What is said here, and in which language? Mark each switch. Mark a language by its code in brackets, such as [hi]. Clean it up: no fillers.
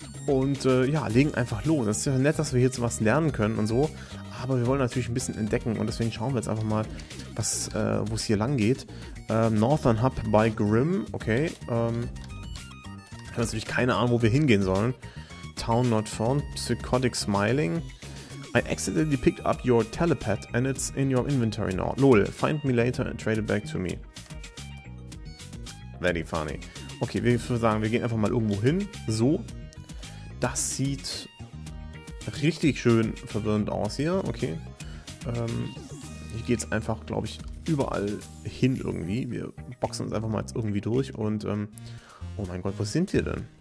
[de] Und ja, legen einfach los. Das ist ja nett, dass wir hier sowas lernen können und so. Aber wir wollen natürlich ein bisschen entdecken und deswegen schauen wir jetzt einfach mal, wo es hier lang geht. Northern Hub by Grimm, okay. Ich habe natürlich keine Ahnung, wo wir hingehen sollen. [en] Town not found, psychotic smiling. I accidentally picked up your telepath and it's in your inventory now. Lol, find me later and trade it back to me. Very funny. [de] Okay, wir sagen, wir gehen einfach mal irgendwo hin. So, das sieht richtig schön verwirrend aus hier, okay. Hier geht es einfach, glaube ich, überall hin irgendwie. Wir boxen uns einfach mal jetzt irgendwie durch und, oh mein Gott, wo sind wir denn?